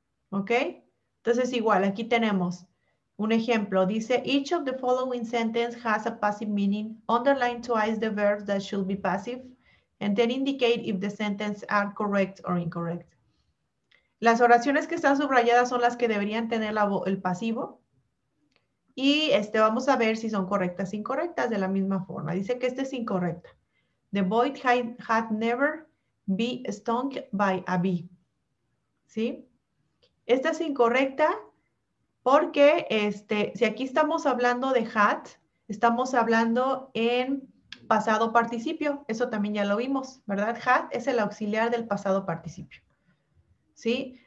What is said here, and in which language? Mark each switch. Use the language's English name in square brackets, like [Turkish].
[Spanish] ¿Ok? Entonces igual, aquí tenemos un ejemplo, dice, [English] each of the following sentence has a passive meaning, underline twice the verbs that should be passive, and then indicate if the sentence are correct or incorrect. [Spanish] Las oraciones que están subrayadas son las que deberían tener el pasivo, y este, vamos a ver si son correctas o incorrectas de la misma forma. Dice que esta es incorrecta. [English] The boy had never been stung by a bee. [Spanish] ¿Sí? Esta es incorrecta porque este, si aquí estamos hablando de had, estamos hablando en pasado participio. Eso también ya lo vimos, ¿verdad? Had es el auxiliar del pasado participio. ¿Sí?